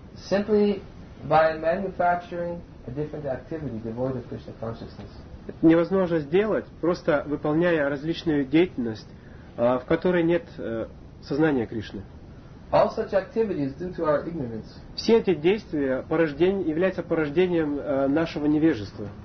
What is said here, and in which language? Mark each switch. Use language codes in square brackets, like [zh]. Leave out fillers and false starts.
[en] Simply by manufacturing a different activity devoid of Krishna consciousness. [ru] Невозможно сделать, просто выполняя различную деятельность, в которой нет сознания Кришны. [en] All such activities due to our ignorance. [ru] Все эти действия являются порождением нашего невежества.